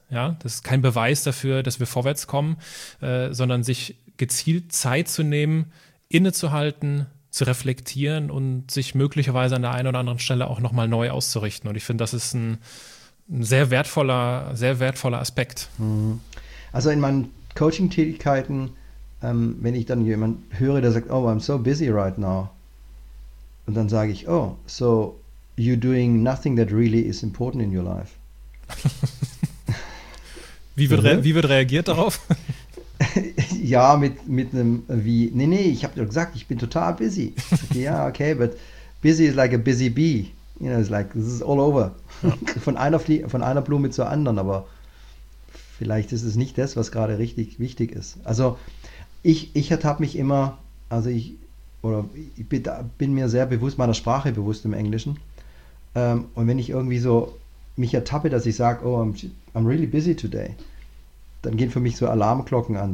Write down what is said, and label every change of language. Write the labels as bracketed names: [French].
[German] Ja, das ist kein Beweis dafür, dass wir vorwärts kommen, sondern sich gezielt Zeit zu nehmen, innezuhalten, zu reflektieren und sich möglicherweise an der einen oder anderen Stelle auch nochmal neu auszurichten. Und ich finde, das ist ein sehr wertvoller Aspekt. Also in meinem Coaching-Tätigkeiten, wenn ich dann jemand höre, der sagt, oh, [English] I'm so busy right now. [German] Und dann sage ich, [English] oh, so you're doing nothing that really is important in your life. [German] Wie wird reagiert darauf? Ja, mit einem wie, nee, ich habe doch gesagt, ich bin total busy. [English] Okay, ja, okay, but busy is like a busy bee. You know, it's like, this is all over. [German] Ja. Von einer Blume zur anderen, aber vielleicht ist es nicht das, was gerade richtig wichtig ist. Also ich ertappe mich immer, ich bin mir sehr bewusst, meiner Sprache bewusst im Englischen. Und wenn ich irgendwie so mich ertappe, dass ich sage, oh, [English] I'm really busy today, [German] dann gehen für mich so Alarmglocken an.